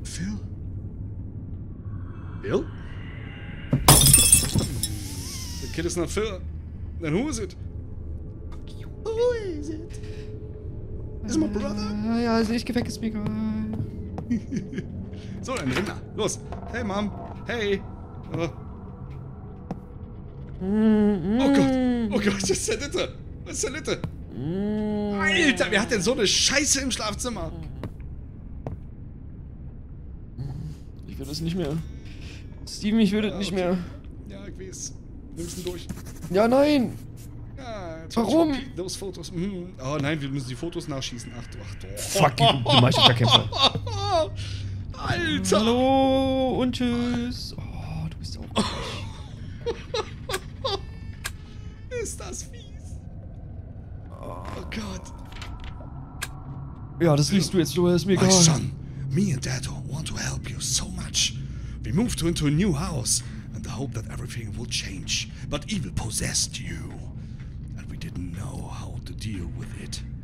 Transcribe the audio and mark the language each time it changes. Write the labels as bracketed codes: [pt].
[en] The kid is not Phil. Then who is it? Fuck you. Who is it? Is it my brother? [de] Ja, also ich geh weg, ist mir egal. So, dann renn da. Los. Hey, Mom. Hey. Oh Gott, das ist der Litte. Das ist der Litte. Alter, wer hat denn so eine Scheiße im Schlafzimmer? Ich will das nicht mehr. Steven, ich will das nicht mehr. Ja, ich weiß. Wir müssen durch. Ja, nein. Ja, warum? [en] Those Fotos. [de] Oh nein, wir müssen die Fotos nachschießen. Ach du, ach du. Fuck, du Meisterkämpfer. Alter. Hallo und tschüss. Oh, du bist auch. Ist das fies? Oh Gott. Ja, das liest du jetzt, du hast mir gesagt. [en] My son, me and Dad want to help you so much. We moved into a new house and the hope that everything will change. But evil possessed you. And we didn't know how to deal with it.